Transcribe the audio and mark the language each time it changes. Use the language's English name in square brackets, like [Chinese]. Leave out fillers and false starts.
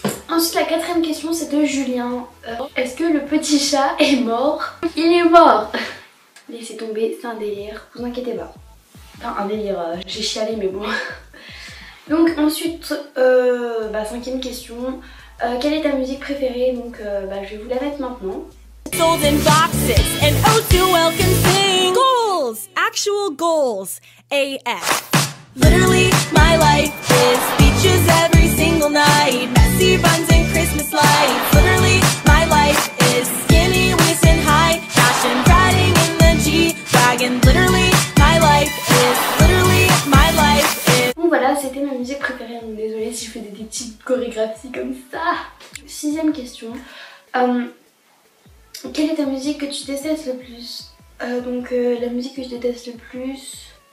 [French] Ensuite la quatrième question c'est de Julien. Est-ce que le petit chat est mort? Il est mort. Laissez tomber, c'est un délire, vous inquiétez pas. Enfin un délire, j'ai chialé mais bon. Donc ensuite, cinquième question. Quelle est ta musique préférée? Donc je vais vous la mettre maintenant. [English] Sold in boxes and O2L can sing. Goals, actual goals, AF. Literally my life is beaches every single night. Buns and Christmas lights. Literally, my life is skinny, waist and high fashion, riding in the G-Wagon. Literally, my life is. Literally, my life is. [French] Bon, voilà, c'était ma musique préférée. Donc, désolée si je fais des petites chorégraphies comme ça. Sixième question. Quelle est ta musique que tu détestes le plus? La musique que je déteste le plus.